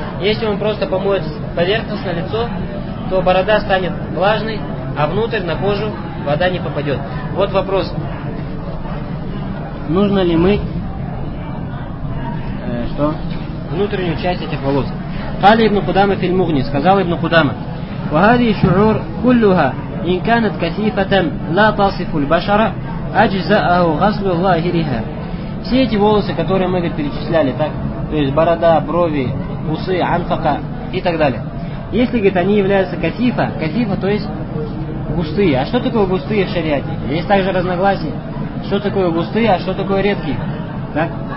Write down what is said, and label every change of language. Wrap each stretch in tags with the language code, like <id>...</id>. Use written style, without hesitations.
<ru>Если он просто помоет поверхностно лицо, то борода станет влажной, а внутрь на кожу вода не попадет. Вот вопрос. Нужно ли мыть что? Внутреннюю часть этих волос.</ru> <ar>Кали ибн Кудама фил Мугни,</ar> <ru>сказал ибн Кудама.</ru> <ar>وهذه شعور كلها إن كانت كثيفة لا تصف البشرة أجزأه غسل ظاهرها.</ar> <ru>Все эти волосы, которые мы перечисляли, так, то есть борода, брови, усы, анфака и так далее. Если, говорит, они являются кафифа, кафифа, то есть густые. А что такое густые в шариате? Есть также разногласия. Что такое густые, а что такое редкие? Так?</ru>